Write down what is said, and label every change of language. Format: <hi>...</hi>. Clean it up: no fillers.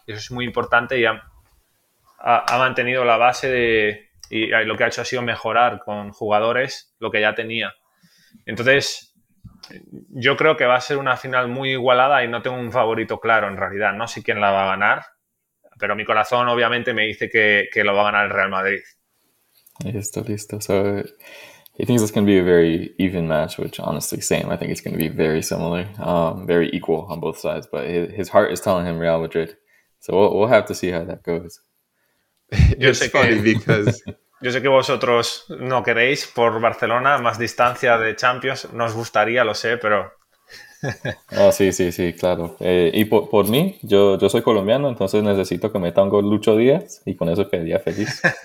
<es>Eso es muy importante, y ha mantenido la base y lo que ha hecho ha sido mejorar con jugadores lo que ya tenía. Entonces, yo creo que va a ser una final muy igualada y no tengo un favorito claro en realidad. No sé quién la va a ganar, pero mi corazón obviamente me dice que lo va a ganar el Real Madrid. Listo.</es> <en>So, he thinks it's going to be a very even match, which honestly, same. I think it's going to be very similar, very equal on both sides. But his heart is telling him Real Madrid. So we'll have to see how that goes.</en> <es>Yo sé que vosotros no queréis por Barcelona, más distancia de Champions. Nos gustaría, lo sé, pero... Oh, sí, claro. Y por mí, yo soy colombiano, entonces necesito que metan gol Lucho Díaz y con eso quedaría feliz.</es>